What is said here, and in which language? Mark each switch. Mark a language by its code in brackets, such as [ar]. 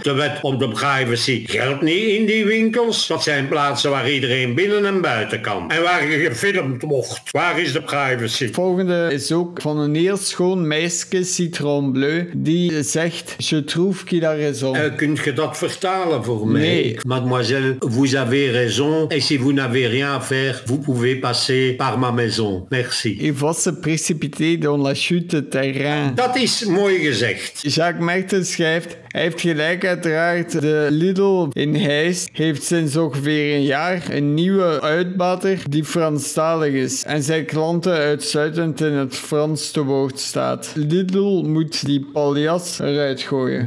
[nl] De wet om de privacy geldt niet in die winkels. Dat zijn plaatsen waar iedereen binnen en buiten kan. En waar je gefilmd wordt. Waar is de privacy? Volgende is ook van een heel schoon meisje, Citron Bleu, die zegt, [fr] je trouve qu'il a raison. [nl] Kunt je dat vertalen voor mij? Nee. [fr] Mademoiselle, vous avez raison, et si vous n'avez rien à faire, vous pouvez passer par ma maison. Merci. Il va se précipiter dans la chute terrain. [nl] Dat is mooi gezegd. Jacques Mertens schrijft, hij heeft gelijk uiteraard, de Lidl in Heist heeft sinds ongeveer een jaar een nieuwe uitbater die Franstalig is en zijn klanten uitsluitend in het Frans te woord staat. Lidl moet die paljas eruit gooien.